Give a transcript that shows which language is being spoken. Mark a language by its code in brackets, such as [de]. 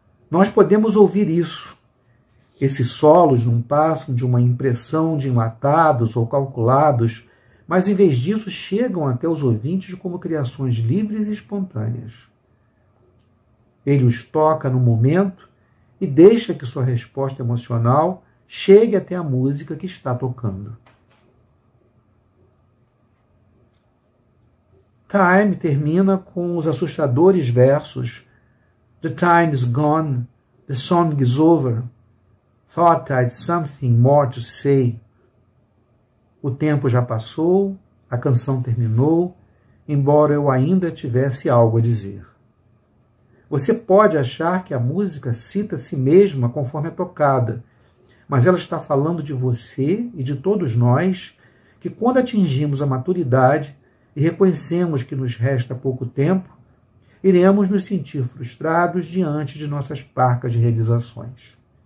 [pt] Nós podemos ouvir isso. Esses solos não passam de uma impressão de enlatados ou calculados, mas em vez disso chegam até os ouvintes como criações livres e espontâneas. Ele os toca no momento e deixa que sua resposta emocional chegue até a música que está tocando. Time termina com os assustadores versos [en] "The time is gone, the song is over, thought I'd something more to say." [pt] O tempo já passou, a canção terminou, embora eu ainda tivesse algo a dizer. Você pode achar que a música cita a si mesma conforme é tocada, mas ela está falando de você e de todos nós que, quando atingimos a maturidade e reconhecemos que nos resta pouco tempo, iremos nos sentir frustrados diante de nossas parcas realizações.